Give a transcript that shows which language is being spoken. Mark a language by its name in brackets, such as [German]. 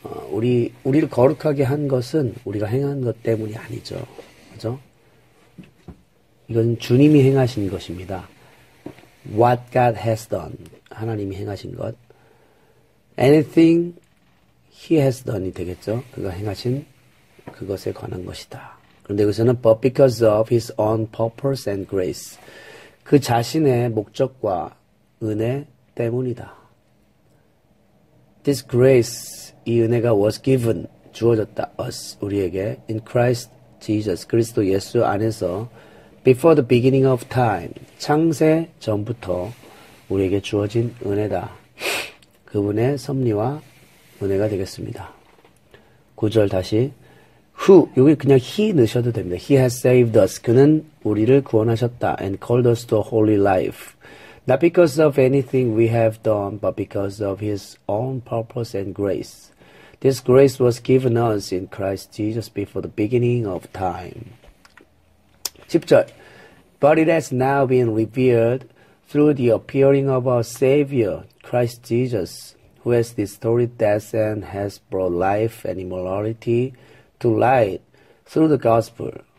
[Korean] 우리를 거룩하게 한 것은 우리가 행한 것 때문이 아니죠. 그죠? 이건 주님이 행하신 것입니다. [English] What God has done. [Korean] 하나님이 행하신 것. [English] Anything he has done이 되겠죠? [Korean] 그가 행하신 그것에 관한 것이다. 그런데 여기서는 [English] but because of his own purpose and grace. [Korean] 그 자신의 목적과 은혜 때문이다. [English] This grace, 이 은혜가 was given, 주어졌다, us, 우리에게, in Christ Jesus, [Korean] 그리스도 예수 안에서, [English] before the beginning of time, [Korean] 창세 전부터 우리에게 주어진 은혜다. 그분의 섭리와 은혜가 되겠습니다. 9절 다시. Who, 여기 그냥 he 넣으셔도 됩니다. [English] He has saved us. [Korean] 그는 우리를 구원하셨다. [English] And called us to a holy life. Not because of anything we have done, but because of his own purpose and grace. This grace was given us in Christ Jesus before the beginning of time. [Korean] 10절. [English] But it has now been revealed through the appearing of our Savior, Christ Jesus, who has destroyed death and has brought life and immortality to light through the gospel.